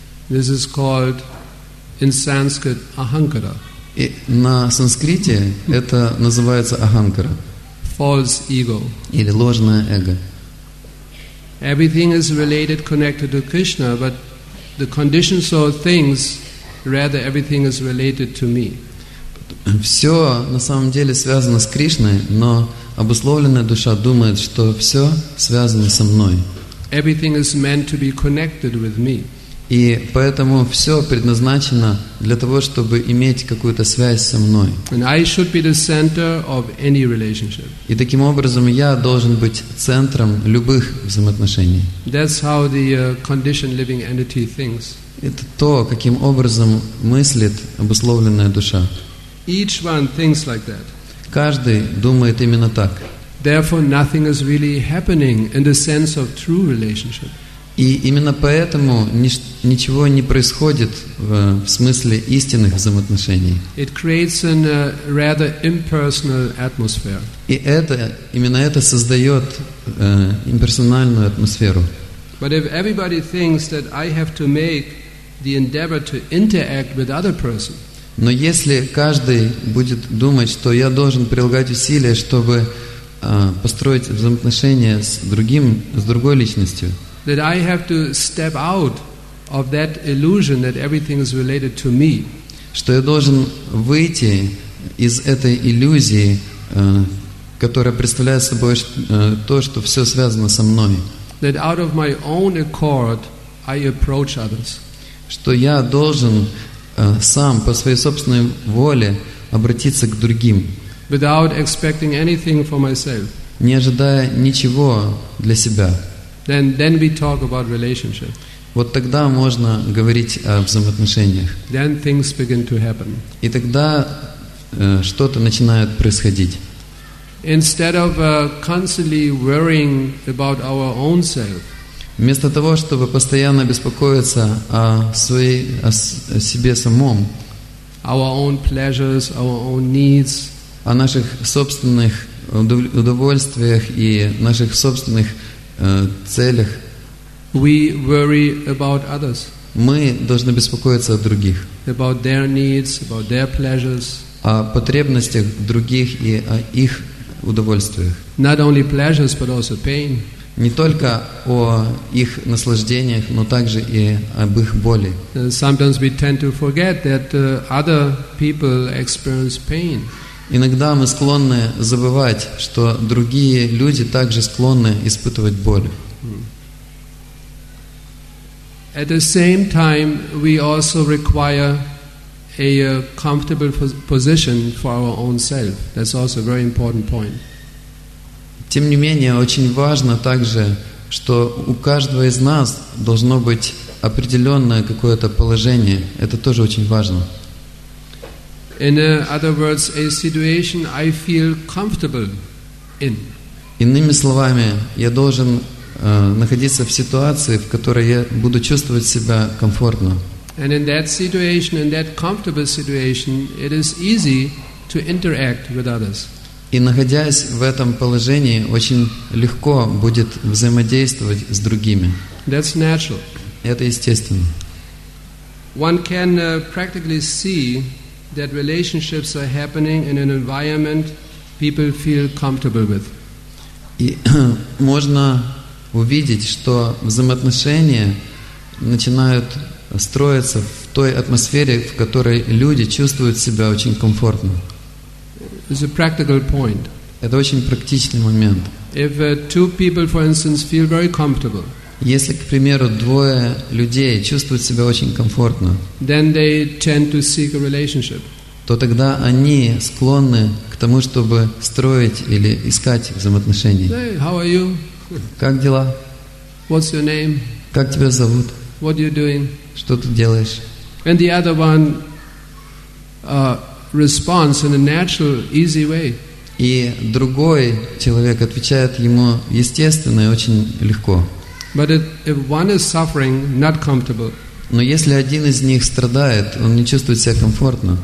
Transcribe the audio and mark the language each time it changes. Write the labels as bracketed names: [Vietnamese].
[English] This is called in Sanskrit ahankara. [Russian] И на санскрите это называется ahankara. [English] False ego. [Russian] Или ложное эго. [English] Everything is related, connected to Krishna, but the conditions of things, rather everything is related to me. [Russian] Все на самом деле связано с Кришной, но обусловленная душа думает, что все связано со мной. [English] Everything is meant to be connected with me. [Russian] И поэтому все предназначено для того, чтобы иметь какую-то связь со мной. [English] And I should be the center of any relationship. [Russian] И таким образом я должен быть центром любых взаимоотношений. [English] That's how the conditioned living entity thinks. [Russian] Это то, каким образом мыслит обусловленная душа. [English] Each one thinks like that. [Russian] Каждый думает именно так. [English] Therefore, nothing is really happening in the sense of true relationship. [Russian] И именно поэтому ничего не происходит в смысле истинных взаимоотношений. [English] It creates an, rather impersonal atmosphere. [Russian] И это, именно это создает имперсональную атмосферу. [English] But if everybody thinks that I have to make the endeavor to interact with other person. [Russian] Но если каждый будет думать, что я должен прилагать усилия, чтобы построить взаимоотношения с другим, с другой личностью. [English] That I have to step out of that illusion that everything is related to me. [Russian] Что я должен выйти из этой иллюзии, которая представляет собой то, что все связано со мной. [English] That out of my own accord I approach others. [Russian] Что я должен сам по своей собственной воле обратиться к другим. [English] Without expecting anything for myself. [Russian] Не ожидая ничего для себя. [English] Then we talk about relationship. [Russian] Вот тогда можно говорить о взаимоотношениях. [English] Then things begin to happen. [Russian] И тогда что-то начинает происходить. [English] Instead of constantly worrying about our own self. [Russian] Вместо того, чтобы постоянно беспокоиться о себе самом. [English] Our own pleasures, our own needs. [Russian] О наших собственных удовольствиях и наших собственных целях. [English] We worry about others. [Russian] Мы должны беспокоиться о других. [English] About their needs, about their pleasures. [Russian] О потребностях других и о их удовольствиях. [English] Not only pleasures, but also pain. [Russian] Не только о их наслаждениях, но также и об их боли. [English] Sometimes we tend to forget that other people experience pain. [Russian] Иногда мы склонны забывать, что другие люди также склонны испытывать боль. [English] At the same time, we also require a comfortable position for our own self. That's also a very important point. [Russian] Тем не менее, очень важно также, что у каждого из нас должно быть определенное какое-то положение. Это тоже очень важно. [English] In other words, a situation I feel comfortable in. [Russian] Иными словами, я должен находиться в ситуации, в которой я буду чувствовать себя комфортно. [English] And in that situation, in that comfortable situation, it is easy to interact with others. [Russian] И находясь в этом положении, очень легко будет взаимодействовать с другими. [English] That's natural. [Russian] Это естественно. [English] One can practically see that relationships are happening in an environment people feel comfortable with. [Russian] И можно увидеть, что взаимоотношения начинают строиться в той атмосфере, в которой люди чувствуют себя очень комфортно. [English] It's a practical point. [Russian] Это очень практичный момент. [English] If two people, for instance, feel very comfortable, [Russian] если, к примеру, двое людей чувствуют себя очень комфортно, [English] then they tend to seek a relationship. [Russian] То тогда они склонны к тому, чтобы строить или искать взаимоотношения. [English] Hey, how are you? [Russian] Как дела? [English] What's your name? [Russian] Как тебя зовут? [English] What are you doing? [Russian] Что ты делаешь? [English] And the other one, responds in a natural, easy way. [Russian] И другой человек отвечает ему естественно и очень легко. [English] But if one is suffering, not comfortable. [Russian] Но если один из них страдает, он не чувствует себя комфортно.